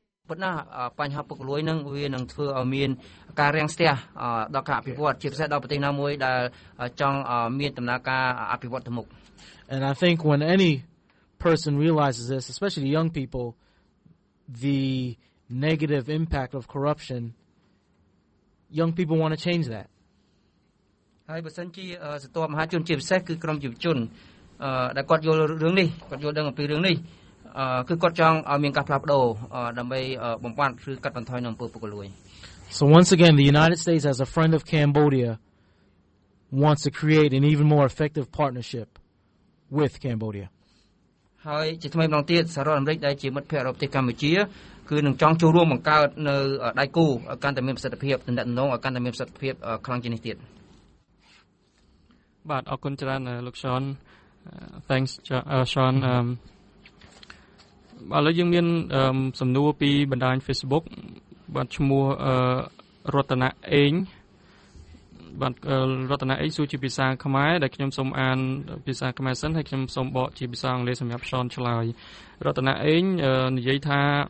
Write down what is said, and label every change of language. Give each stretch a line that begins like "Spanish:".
Khmer: ប៉ុន្តែបញ្ហាពុករលួយនឹងវានឹងធ្វើឲ្យមានការរាំងស្ទះដល់ការអភិវឌ្ឍជាពិសេសដល់ប្រទេសណាមួយដែលចង់មានដំណើរការអភិវឌ្ឍទៅមុខ
English: and I think when any person realizes this especially young people the negative impact of corruptionyoung people want to change that
Khmer: ហើយបើសិនជាសតវមហាជនជាពិសេសគឺក្រុមយុវជនដែលគាត់យល់រឿងនេះគាត់យល់ដឹងអំពីរឿងនេះគឺគាត់ចង់ឲ្យមានការផ្លាស់ប្ដូរដើម្បីបំបត្តិឬកាត់បន្ថយនៅអំពើពុករលួយ
English: So once again the United States as a friend of Cambodia wants to create an even more effective partnership with Cambodia.
Khmer: ហើយជាថ្មីម្ដងទៀតសហរដ្ឋអាមេរិកដែលជាមិត្តភក្តិរបស់ប្រទេសកម្ពុជាគឺនឹងចង់ចូលរួមបង្កើតនៅដៃគូឲ្យកាន់តែមានប្រសិទ្ធភាពទំនាក់ទំនងឲ្យកាន់តែមានប្រសិទ្ធភាពខ្លាំងជាងនេះទៀត បាទអរគុណច្រើនលោក Sean
English: thanks Sean
Khmer: បាទឥឡូវយើងមានសំណួរពីបណ្ដាញ Facebook បាទឈ្មោះរតនាអេងបាទរតនាអេងសួរជាភាសាខ្មែរដែលខ្ញុំសូមអានភាសាខ្មែរសិនហើយខ្ញុំសូមបកជាភាសាអង់គ្លេសសម្រាប់ Sean ឆ្លើយរតនាអេងនិយាយថា